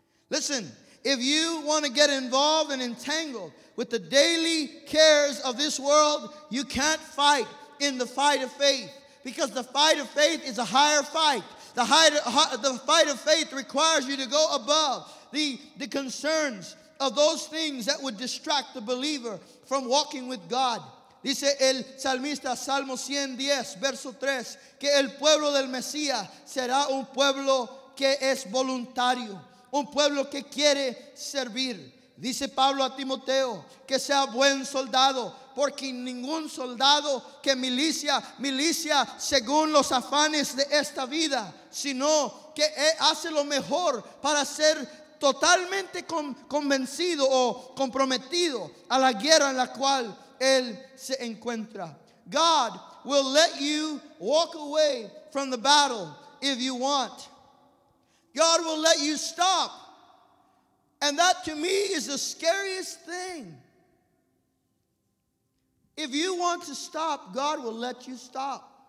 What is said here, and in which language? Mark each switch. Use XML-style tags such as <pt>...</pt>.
<en>Listen, if you want to get involved and entangled with the daily cares of this world, you can't fight in the fight of faith, because the fight of faith is a higher fight. The fight of faith requires you to go above the concerns of those things that would distract the believer from walking with God.</en> <es>Dice el salmista, Salmo 110, verso 3, que el pueblo del Mesías será un pueblo que es voluntario, un pueblo que quiere servir. Dice Pablo a Timoteo, que sea buen soldado, porque ningún soldado que milicia según los afanes de esta vida, sino que hace lo mejor para ser totalmente convencido o comprometido a la guerra en la cual él se encuentra.</es> <en>God will let you walk away from the battle if you want. God will let you stop. And that to me is the scariest thing. If you want to stop, God will let you stop.</en>